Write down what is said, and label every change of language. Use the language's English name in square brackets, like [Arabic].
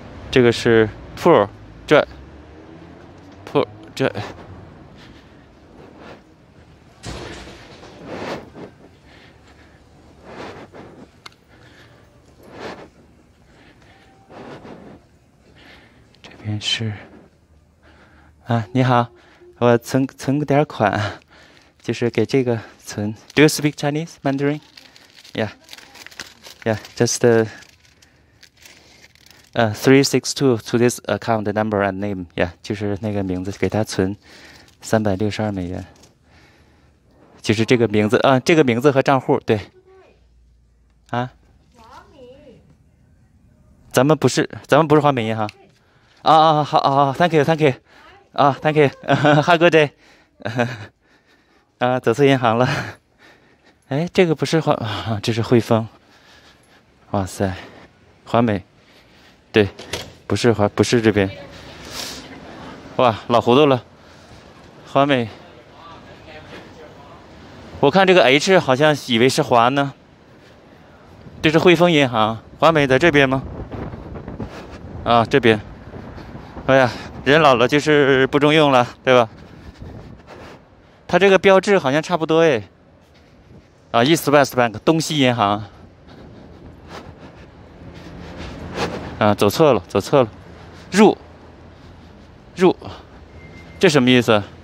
[Chinese] 这个是 pull 转，pull 转，面试你好，我存个点款，就是给这个存。 [English] Do you speak Chinese Mandarin? Just three six two to this account number and name. [Chinese] 就是那个名字，给他存362美元。就是这个名字啊，这个名字和账户对。咱们不是华美银行。好，thank you，thank you。啊，Thank you，哈哥的，啊，走错银行了。哎，这个不是华，这是汇丰。哇塞，华美，对，不是华，不是这边。哇，老糊涂了，华美。我看这个 H 好像以为是华呢。这是汇丰银行，华美在这边吗？啊，这边。哎呀，人老了就是不中用了，对吧？它这个标志好像差不多哎。啊，East West Bank，东西银行。啊，走错了，走错了，入，这什么意思？